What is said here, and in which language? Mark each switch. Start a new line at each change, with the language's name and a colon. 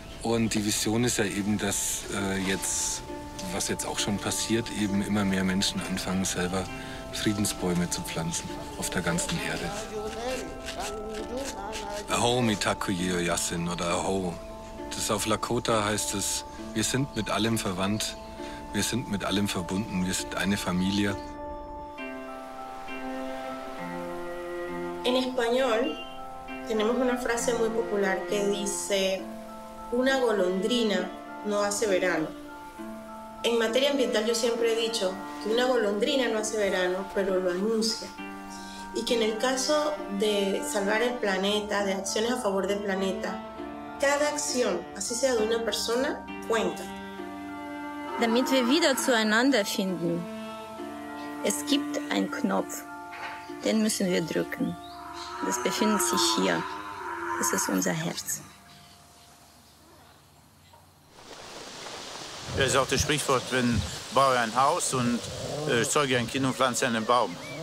German: Und die Vision ist ja eben, dass jetzt, was jetzt auch schon passiert, eben immer mehr Menschen anfangen, selber Friedensbäume zu pflanzen auf der ganzen Erde.
Lakota: Aho mitakuyeo yasin
German: oder aho. Das auf Lakota heißt es, wir sind mit allem verwandt, wir sind mit allem verbunden, wir sind eine Familie.
Spanish: In Español tenemos una frase muy popular que dice: una golondrina no hace verano. En materia ambiental yo siempre he dicho que una golondrina no hace verano, pero lo anuncia. Y que en el caso de salvar el planeta, de acciones a favor del planeta, cada acción, así sea de una persona, cuenta.
German: Damit wir wieder zueinander finden, es gibt einen Knopf, den müssen wir drücken. Das befindet sich hier. Das ist unser Herz. Es ist auch das Sprichwort, wenn baue ein Haus und zeuge ein Kind und pflanze einen Baum.